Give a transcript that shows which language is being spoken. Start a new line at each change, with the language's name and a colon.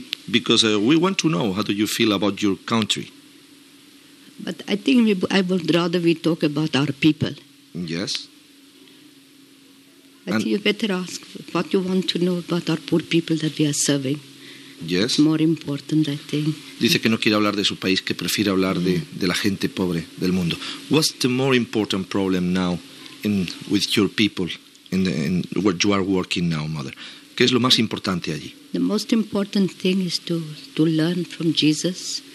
English: Because we want to know, how do you feel about your country? But I think I would rather we talk about our people. Yes. But and you better ask what you want to know about our poor people that we are serving. Yes. More important, I think.
Spanish: Dice que no quiere hablar de su país, que prefiere hablar de la gente pobre del mundo.
English: What's the more important problem now in with your people in where you are working now, mother?
Spanish: ¿Qué es lo más importante allí?
English: The most important thing is to learn from Jesus.